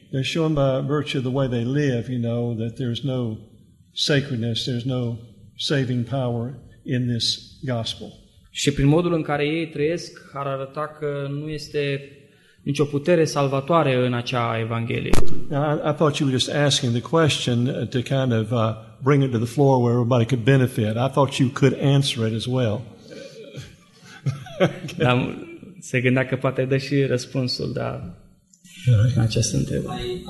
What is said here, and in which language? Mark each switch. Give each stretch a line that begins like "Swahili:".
English: They're shown by virtue of the way they live, you know, that there's no sacredness, there's no saving power in this gospel.
Romanian: Și prin modul în care ei trăiesc, ar arăta că nu este nicio putere salvatoare în acea evanghelie.
English: I thought you were just asking the question to kind of bring it to the floor where everybody could benefit. I thought you could answer it as well. Okay.
Romanian: Dar se gândea că poate dă și răspunsul, da, right, în această întrebare.